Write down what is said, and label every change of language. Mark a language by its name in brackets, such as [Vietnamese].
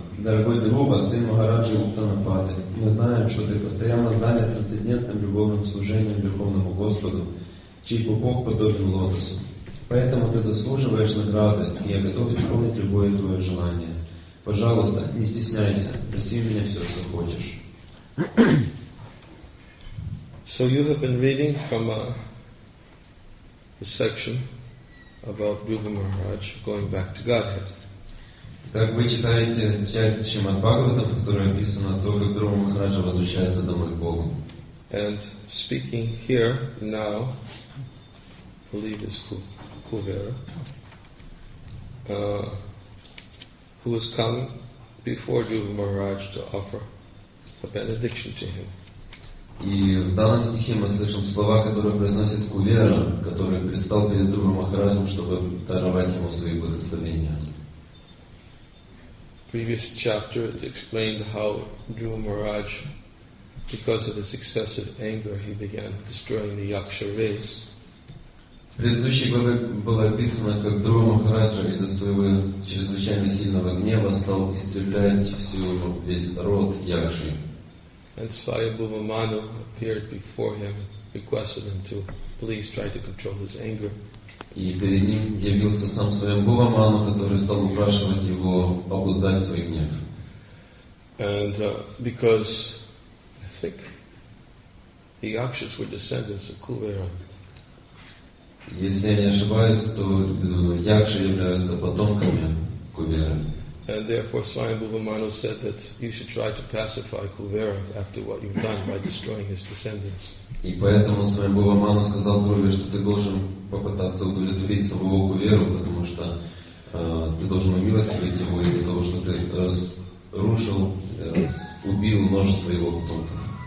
[Russian] Дорогой Дхрува, сын Махараджи Уттанапады, мы знаем, что ты постоянно занят трансцендентным любовным служением Верховному Господу, чей Бог подобен лотосу. Поэтому ты заслуживаешь награды, и я готов исполнить любое твое желание. Пожалуйста, не стесняйся, проси у меня все, что хочешь. [English] So you have been reading from the section about Dhruva Maharaj going back to Godhead. [Russian] Так вы читаете часть Шримад Бхагаватам, в которой описано то, как Дхрува Махараджа возвращается домой к Богу. [English] And speaking here now, I believe it's Kuvera, who has come before Dhruva Maharaj to offer a benediction to him. [Russian] И в данном стихе мы слышим слова, которые произносит Кувера, который предстал перед Дхрува Махараджем, чтобы даровать ему свои благословения. [English] Previous chapter it explained how Dhruva Maharaj, because of his excessive anger, he began destroying the Yaksha race. [Russian] Предыдущей главе было описано, как Дхрува Махараджа из-за своего чрезвычайно сильного гнева стал истреблять всю весь род Якши. [English] And Svayambhuva Manu appeared before him, requested him to please try to control his anger. [Russian] И перед ним явился сам Svayambhuva Manu, который стал упрашивать его обуздать свой гнев. [English] And because I think the Yakshas were descendants of Kuvera. [Russian] Если я не ошибаюсь, то якши являются потомками Кувера. [English] And therefore, Swami Bhuvamano said that you should try to pacify Kuvera after what you've done by destroying his descendants. [Russian] И поэтому Свами Бхувамано сказал Куве, что ты должен попытаться удовлетворить самого Куверу, потому что ты должен умилостивить его из-за того, что ты разрушил, убил множество его потомков.